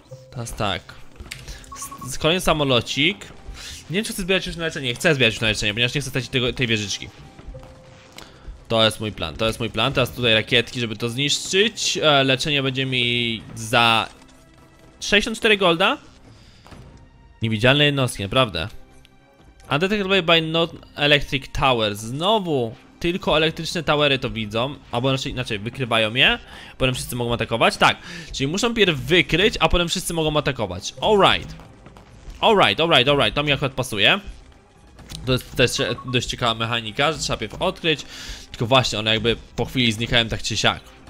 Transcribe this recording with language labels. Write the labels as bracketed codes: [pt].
[pl] Teraz tak. Kolejny samolocik. Nie wiem, czy chcę zbierać już na leczenie. Chcę zbierać już na leczenie, ponieważ nie chcę stracić tej wieżyczki. To jest mój plan, to jest mój plan. Teraz tutaj rakietki, żeby to zniszczyć. Leczenie będzie mi za 64 golda. Niewidzialne jednostki, naprawdę. [en] Undetected by not electric tower. [pl] Znowu. Tylko elektryczne towery to widzą, albo inaczej, wykrywają je, potem wszyscy mogą atakować. Tak, czyli muszą pierw wykryć, a potem wszyscy mogą atakować. Alright. To mi akurat pasuje. To jest też dość ciekawa mechanika, że trzeba pierw odkryć. Tylko właśnie, one jakby po chwili znikają tak czy siak.